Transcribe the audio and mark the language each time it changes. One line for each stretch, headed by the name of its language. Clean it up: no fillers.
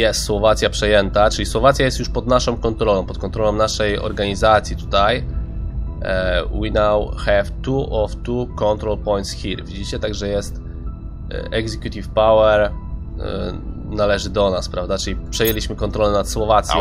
Polish: Jest Słowacja przejęta, czyli Słowacja jest już pod naszą kontrolą, pod kontrolą naszej organizacji tutaj.
English: We now have 2 of 2 control points here.
Polish: Widzicie, także jest executive power należy do nas, prawda? Czyli przejęliśmy kontrolę nad Słowacją.